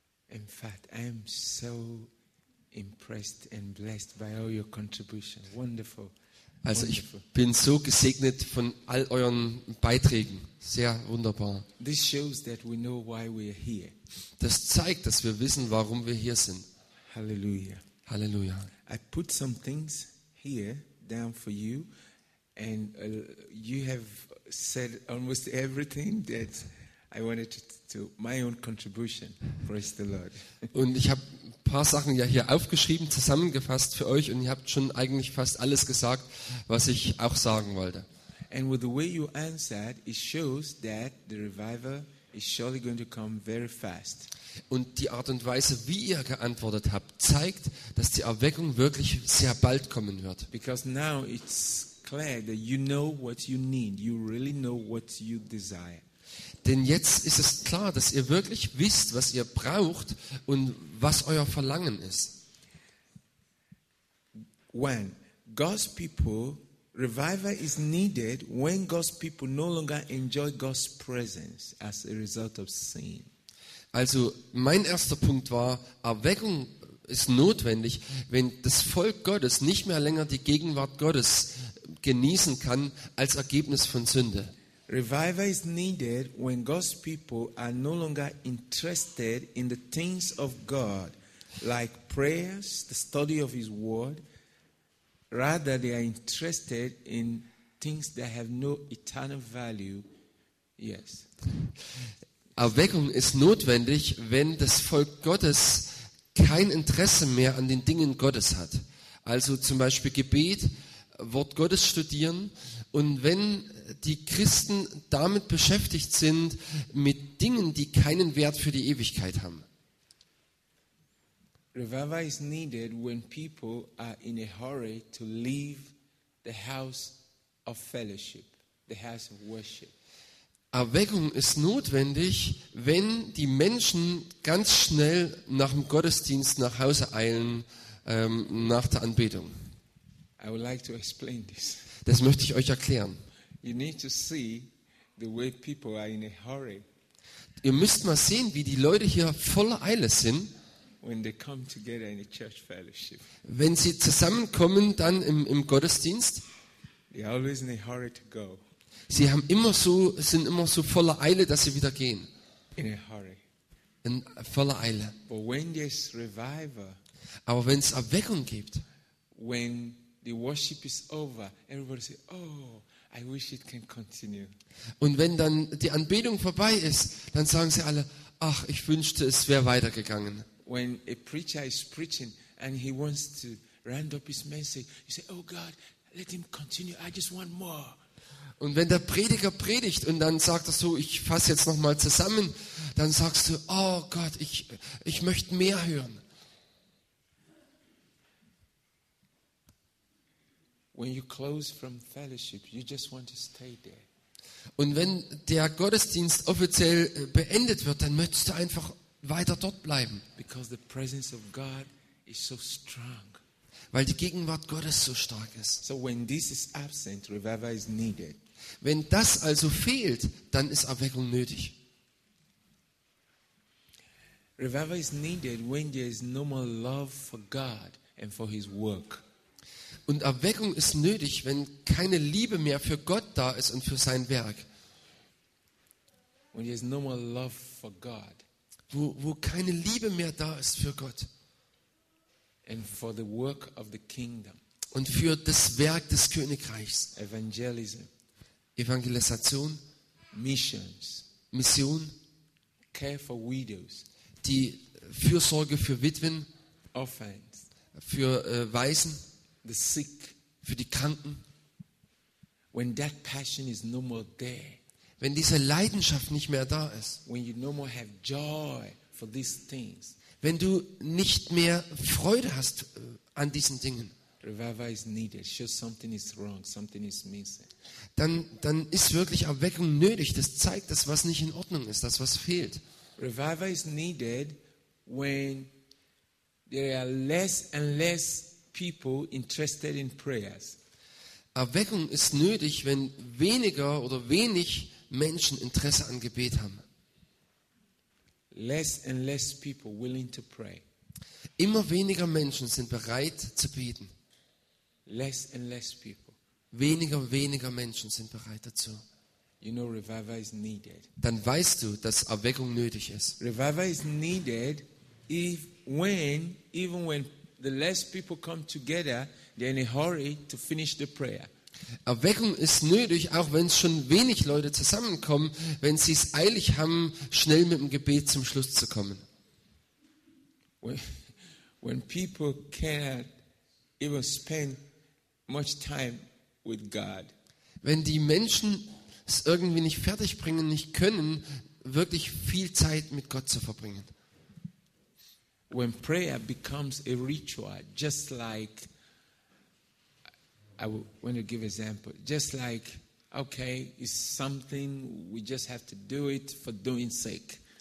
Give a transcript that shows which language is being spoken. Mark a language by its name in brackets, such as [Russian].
[English] In fact, I am so impressed and blessed by all your contributions. Wonderful. [German] Also ich bin so gesegnet von all euren Beiträgen. Sehr wunderbar. [English] This shows that we know why we are here. [German] Das zeigt, dass wir wissen, warum wir hier sind. Halleluja. Halleluja. [English] I put some things here down for you, and you have said almost everything that I wanted to my own contribution. Praise the Lord. [German] Und ich habe ein paar Sachen ja hier aufgeschrieben, zusammengefasst für euch, und ihr habt schon eigentlich fast alles gesagt, was ich auch sagen wollte. [English] And with the way you answered, it shows that the revival is surely going to come very fast. [German] Und die Art und Weise, wie ihr geantwortet habt, zeigt, dass die Erweckung wirklich sehr bald kommen wird. [English] Because now it's clear that you know what you need. You really know what you desire. [German] Denn jetzt ist es klar, dass ihr wirklich wisst, was ihr braucht und was euer Verlangen ist. [English] When God's people, revival is needed when God's people no longer enjoy God's presence as a result of sin. [German] Also mein erster Punkt war, Erweckung ist notwendig, wenn das Volk Gottes nicht mehr länger die Gegenwart Gottes genießen kann als Ergebnis von Sünde. [English] Revival is needed when God's people are no longer interested in the things of God, like prayers, the study of His Word. Rather, they are interested in things that have no eternal value. Yes. [German] Erweckung ist notwendig, wenn das Volk Gottes kein Interesse mehr an den Dingen Gottes hat. Also zum Beispiel Gebet, Wort Gottes studieren. Und wenn die Christen damit beschäftigt sind, mit Dingen, die keinen Wert für die Ewigkeit haben. [English] Revival is needed when people are in a hurry to leave the house of fellowship, the house of worship. [German] Erweckung ist notwendig, wenn die Menschen ganz schnell nach dem Gottesdienst nach Hause eilen, nach der Anbetung. [English] I would like to explain this. [German] Das möchte ich euch erklären. [English] You need to see the way people are in a hurry. [German] Ihr müsst mal sehen, wie die Leute hier voller Eile sind, [English] when they come together in a church fellowship. [German] Wenn sie zusammenkommen dann im Gottesdienst, [English] they're always in a hurry to go. [German] Sie haben immer so, sind immer so voller Eile, dass sie wieder gehen. [English] In a hurry. [German] In voller Eile. [English] But when there's revival, [German] aber wenn es Erweckung gibt, [English] when the worship is over, everybody says, oh, I wish it can continue. [German] Und wenn dann die Anbetung vorbei ist, dann sagen sie alle, ach, ich wünschte, es wäre weitergegangen. [English] When a preacher is preaching and he wants to round up his message, you say, oh God, let him continue, I just want more. [German] Und wenn der Prediger predigt und dann sagt er so, ich fasse jetzt nochmal zusammen, dann sagst du, oh Gott, ich möchte mehr hören. [English] When you close from fellowship, you just want to stay there. [German] Und wenn der Gottesdienst offiziell beendet wird, dann möchtest du einfach weiter dort bleiben. [English] Because the presence of God is so strong. [German] Weil die Gegenwart Gottes so stark ist. [English] So when this is absent, revival is needed. [German] Wenn das also fehlt, dann ist Erweckung nötig. [English] Revival is needed when there is no more love for God and for His work. [German] Und Erweckung ist nötig, wenn keine Liebe mehr für Gott da ist und für sein Werk. [English] When there is no more love for God. [German] Wo keine Liebe mehr da ist für Gott. [English] And for the work of the kingdom. [German] Und für das Werk des Königreichs. [English] Evangelism. [German] Evangelisation. [English] Missions. [German] Mission. [English] Care for widows. [German] Die Fürsorge für Witwen. [English] Orphans. [German] Für Waisen. [English] The sick. [German] Für die Kranken. [English] When that passion is no more there. [German] Wenn diese Leidenschaft nicht mehr da ist, [English] when you no more have joy for these things, [German] wenn du nicht mehr Freude hast an diesen Dingen, [English] revival is needed. Sure, something is wrong, something is missing. [German] Dann ist wirklich Erweckung nötig. Das zeigt, dass was nicht in Ordnung ist, dass was fehlt. [English] Revival is needed when there are less and less people interested in prayers. [German] Erweckung ist nötig, wenn weniger oder wenig Menschen Interesse an Gebet haben. [English] Less and less people willing to pray. [German] Immer weniger Menschen sind bereit zu beten. [English] Less and less people. [German] Weniger und weniger Menschen sind bereit dazu. [English] You know, revival is needed. [German] Dann weißt du, dass Erweckung nötig ist. [English] Revival is needed if when even when the less people come together, they're in a hurry to finish the prayer. [German] Erweckung ist nötig, auch wenn es schon wenig Leute zusammenkommen, wenn sie es eilig haben, schnell mit dem Gebet zum Schluss zu kommen. [English] When people cannot even spend much time with God. [German] Wenn die Menschen es irgendwie nicht fertig bringen, nicht können, wirklich viel Zeit mit Gott zu verbringen. [English] When prayer becomes a ritual, just like I want to give an example, just like okay, it's something we just have to do it for doing sake.